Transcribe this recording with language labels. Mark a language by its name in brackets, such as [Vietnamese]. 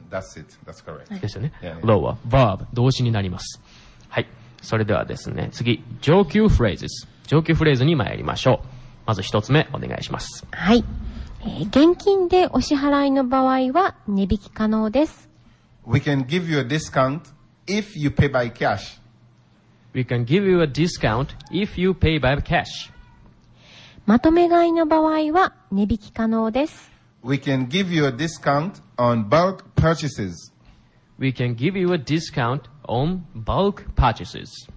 [English] That's it. That's correct. [Japanese] ですよね。Yeah, yeah. lower, verb, 動詞になります。はい。それではですね、次、上級フレーズです。上級フレーズに参りましょう。まず一つ目、お願いします。はい。現金でお支払いの場合は、値引き可能です。 [English] We can give you a discount if you pay by cash. We can give you a discount if you pay by cash. [Japanese] まとめ買いの場合は、値引き可能です。 [English] We can give you a discount on bulk purchases. We can give you a discountOn bulk purchases.